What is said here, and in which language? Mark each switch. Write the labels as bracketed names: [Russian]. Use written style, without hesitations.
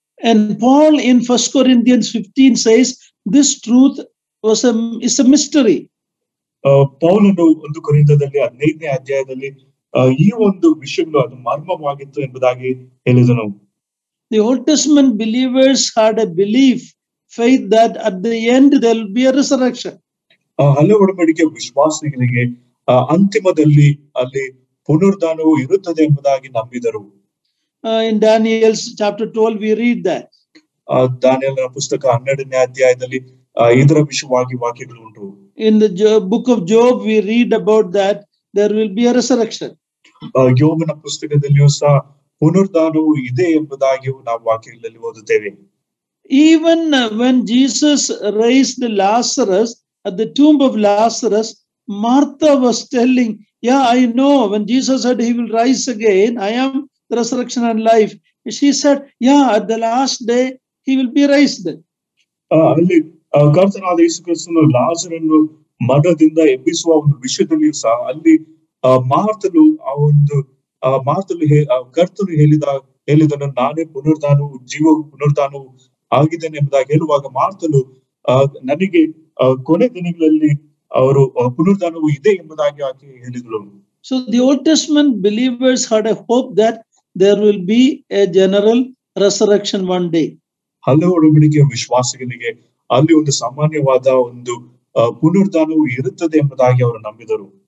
[English] And Paul in first Corinthians 15 says this truth was is a mystery. [Kannada] ಪೌಲನು 1 Corinthians 15:15 ಈ ಒಂದು ವಿಷಯಗಳು ಅದು ಮರ್ಮವಾಗಿತ್ತು ಎಂಬುದಾಗಿ ಹೇಳಿದನು. [English] The old testament believers had a belief faith that at the end there will be a resurrection. [Kannada] ಹಲವು ಒಡಂಬಡಿಕೆ ವಿಶ್ವಾಸಿಗಳಿಗೆ ಅಂತಿಮದಲ್ಲಿ ಅಲ್ಲಿ ಪುನರುದ್ಧಾನವು ಇರುತ್ತದೆ ಎಂಬುದಾಗಿ ನಂಬಿದರು. [English] In Daniel's chapter 12 we read that. [Kannada] ದಾನಿಯೇಲನ ಪುಸ್ತಕ 12ನೇ ಅಧ್ಯಾಯದಲ್ಲಿ ಇದರ ವಿಷಯವಾಗಿ ವಾಕ್ಯಗಳು ಉಂಟು. [English] In the book of Job we read about that there will be a resurrection. [Kannada] ಯೋಬನ ಪುಸ್ತಕದಲ್ಲಿಯೂ ಸಹ ಪುನರುದ್ಧಾನವು ಇದೆ ಎಂಬುದಾಗಿಯೂ ನಾವು ವಾಕ್ಯಗಳಲ್ಲಿ ಓದುತ್ತೇವೆ. [English] Even when Jesus raised Lazarus at the tomb of Lazarus, Martha was telling, yeah, I know, when Jesus said he will rise again, I am the resurrection and life. She said, yeah, at the last day, he will be raised. [Kannada] ಅಲ್ಲಿ ಕರ್ತನಾದ ಯೇಸು ಕ್ರಿಸ್ತನು ಲಾಜರನ್ನು ಮರಣದಿಂದ ಎಬ್ಬಿಸುವ ಒಂದು ವಿಷಯದಲ್ಲಿಯೂ ಸಹ ಅಲ್ಲಿ ಮಾರ್ಥಲು ಆ ಒಂದು ಮಾರ್ಥಲು ಕರ್ತನು ಹೇಳಿದನು ನಾನೇ ಪುನರುದ್ಧಾನವು ಜೀವ ಪುನರುದ್ಧಾನವು ಆಗಿದ್ದೇನೆ ಎಂಬುದಾಗಿ ಹೇಳುವಾಗ ಮಾರ್ಥಲು ನನಗೆ ಕೊನೆ ದಿನಗಳಲ್ಲಿ ಅವರು ಪುನರುದ್ಧಾನವು ಇದೆ ಎಂಬುದಾಗಿ ಆಕೆ ಹೇಳಿದರು. [English] So the Old Testament believers had a hope that there will be a general resurrection one day. [Kannada] ಹಲವು ಒಡಂಬಡಿಕೆಯ ವಿಶ್ವಾಸಿಗಳಿಗೆ ಅಲ್ಲಿ ಒಂದು ಸಾಮಾನ್ಯವಾದ ಒಂದು ಪುನರುದ್ಧಾನವು ಇರುತ್ತದೆ ಎಂಬುದಾಗಿ ಅವರು ನಂಬಿದರು.